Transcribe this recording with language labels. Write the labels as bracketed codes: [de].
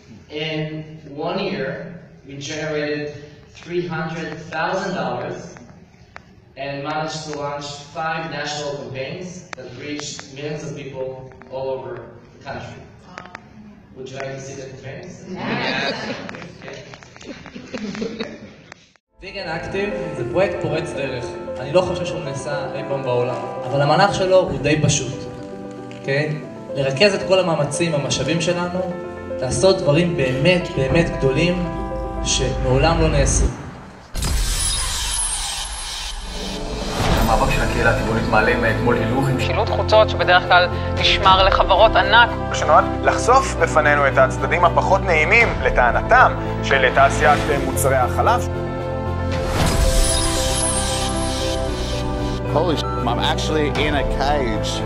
[en] In 1 year, we generated $300,000 and managed to launch 5 national campaigns that reached millions of people all over the country. Would you like to see the campaigns? Yes! [he] Vegan Active זה פרויקט פורץ דרך. אני לא חושב שהוא נעשה אי פעם בעולם, אבל המהלך שלו הוא די פשוט. כן? לרכז את כל המאמצים, המשאבים שלנו, לעשות דברים באמת באמת גדולים שמעולם לא נעשו. המאבק של הקהילה הטבעונית מעלה מאתמול הילוך עם שילוט חוצות שבדרך כלל נשמר לחברות ענק. כשנועד לחשוף בפנינו את הצדדים הפחות נעימים לטענתם של תעשיית מוצרי החלב. [en] Holy sh**, I'm actually in a cage.